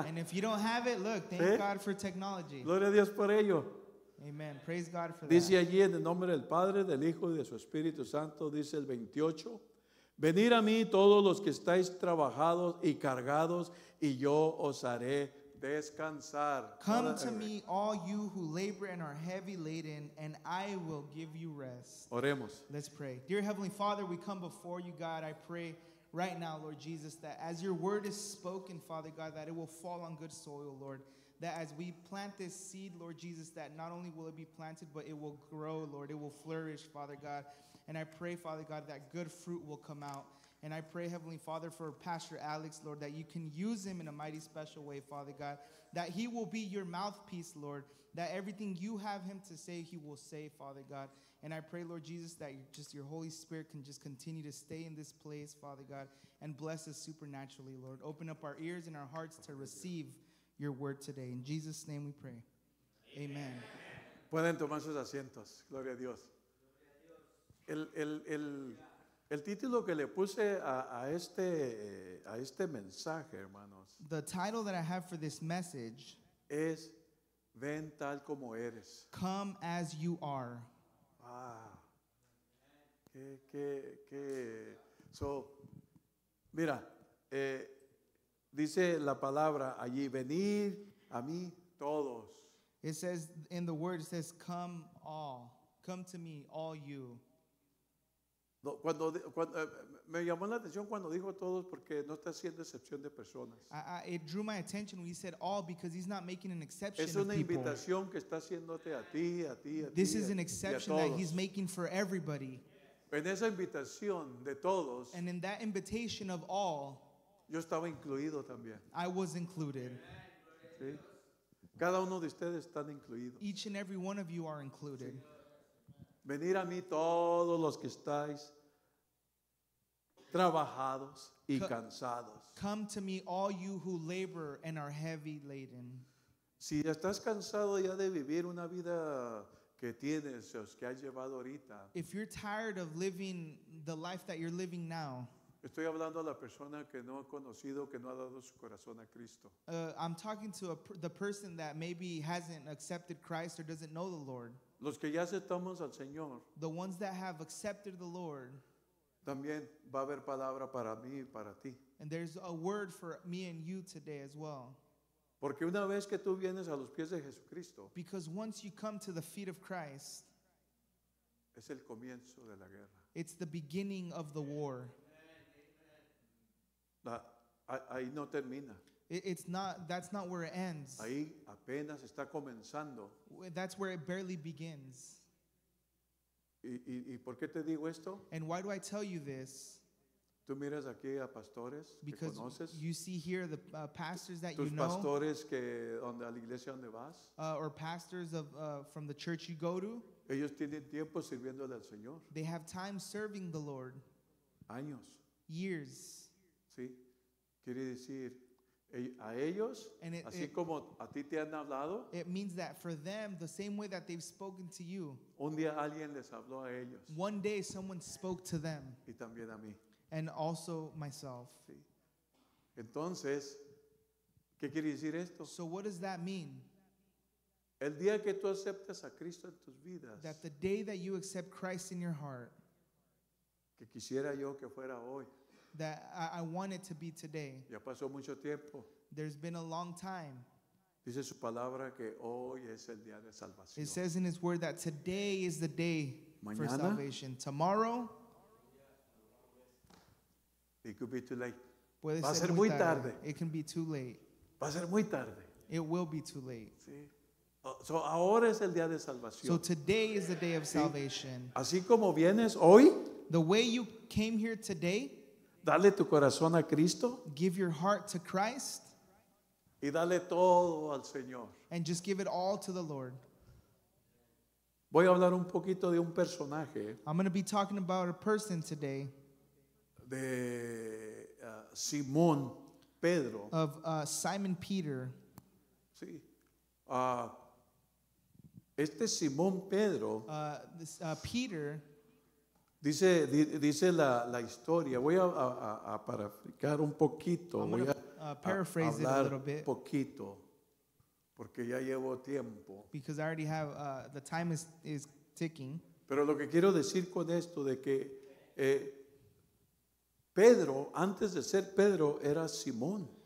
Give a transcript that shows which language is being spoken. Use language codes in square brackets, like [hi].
[en] And if you don't have it, look, thank ¿Eh? God for technology. [es] Gloria a Dios por ello. [en] Amen. Praise God for [es] dice [en] that. [es] Dice allí en el nombre del Padre, del Hijo y de su Espíritu Santo, dice el 28, venid a mí todos los que estáis trabajados y cargados y yo os haré descansar. [en] Come to me all you who labor and are heavy laden and I will give you rest. [es] Oremos. [en] Let's pray. Dear Heavenly Father, we come before you, God. I pray right now, Lord Jesus, that as your word is spoken, Father God, that it will fall on good soil, Lord. That as we plant this seed, Lord Jesus, that not only will it be planted, but it will grow, Lord. It will flourish, Father God. And I pray, Father God, that good fruit will come out. And I pray, Heavenly Father, for Pastor Alex, Lord, that you can use him in a mighty special way, Father God, that he will be your mouthpiece, Lord, that everything you have him to say, he will say, Father God. And I pray, Lord Jesus, that just your Holy Spirit can just continue to stay in this place, Father God, and bless us supernaturally, Lord. Open up our ears and our hearts to receive your word today. In Jesus' name we pray. Amen. [es] Pueden tomar sus asientos. Gloria a Dios. El título que le puse a este mensaje, hermanos. [en] The title that I have for this message [es] es Ven tal como eres. [en] Come as you are. Ah. [es] Que so mira, dice la palabra allí, venir a mí todos. [en] It says in the word, it says come all. Come to me all you. [es] Cuando me llamó la atención cuando dijo todos porque no está haciendo excepción de personas. [en] It drew my attention when he said all because he's not making an exception. [es] Es una invitación que está haciéndote a ti. [en] This is an exception that he's making for everybody. [es] En esa invitación de todos. [en] And in that invitation of all. [es] Yo estaba incluido también. [en] I was included. [es] ¿Sí? Cada uno de ustedes están incluidos. [en] Each and every one of you are included. [es] Sí. Venir a mí todos los que estáis trabajados y cansados. [en] Come to me all you who labor and are heavy laden. [es] Si estás cansado ya de vivir una vida que tienes, o que has llevado ahorita. [en] If you're tired of living the life that you're living now. [es] Estoy hablando a la persona que no ha conocido, que no ha dado su corazón a Cristo. [en] I'm talking to the person that maybe hasn't accepted Christ or doesn't know the Lord. [es] Los que ya aceptamos al Señor. [en] The ones that have accepted the Lord. [es] También va a haber palabra para mí y para ti. [en] And there's a word for me and you today as well. [es] Porque una vez que tú vienes a los pies de Jesucristo. [en] Because once you come to the feet of Christ. [es] Es el comienzo de la guerra. [en] It's the beginning of the war. [es] Ahí no termina. [en] That's not where it ends. [es] Ahí apenas está comenzando. [en] That's where it barely begins. [es] ¿Y por qué te digo esto? [en] And why do I tell you this? [es] Tú miras aquí a pastores [en] because [es] que conoces. [en] You see here the pastors that [es] tus [en] you know. [es] Tus pastores que donde a la iglesia donde vas. [en] Or pastors of from the church you go to. [es] Ellos tienen tiempo sirviéndole al Señor. [en] They have time serving the Lord. [es] Años. [en] Years. [es] Sí. Quiere decir a ellos, así como a ti te han hablado. [en] It means that for them, the same way that they've spoken to you. [es] Un día alguien les habló a ellos. [en] One day someone spoke to them. [es] Y también a mí. [en] And also myself. [es] Sí. Entonces, ¿qué quiere decir esto? [en] So what does that mean? [es] El día que tú aceptas a Cristo en tus vidas. [en] That the day that you accept Christ in your heart. [es] Que quisiera yo que fuera hoy. [en] That I want it to be today. [es] Ya pasó mucho tiempo. [en] There's been a long time. [es] Dice su palabra que hoy es el día de salvación. [en] It says in his word that today is the day. [es] Mañana? [en] For salvation. Tomorrow? It could be too late. [es] Puede va a ser muy tarde. [en] It can be too late. [es] Va a ser muy tarde. [en] It will be too late. [es] Sí. So ahora es el día de salvación. [en] So today is the day of salvation. [es] Sí. Así como vienes hoy. [en] The way you came here today. [es] Dale tu corazón a Cristo. [en] Give your heart to Christ. [es] Y dale todo al Señor. [en] And just give it all to the Lord. [es] Voy a hablar un poquito de un personaje. [en] I'm going to be talking about a person today. [es] De Simón Pedro. [en] Of Simon Peter. [es] Sí. Este Simón Pedro. [en] Peter. [es] Dice la historia. Voy a parafrasear un poquito. [en] I'm [es] voy [en] gonna, [es] a [en] paraphrase [es] hablar [en] it a little bit. [es] Poquito, porque ya llevo tiempo. [en] Because I already have the time is ticking. [es] Pero lo que quiero decir con esto de que Pedro, antes de ser Pedro, era Simón.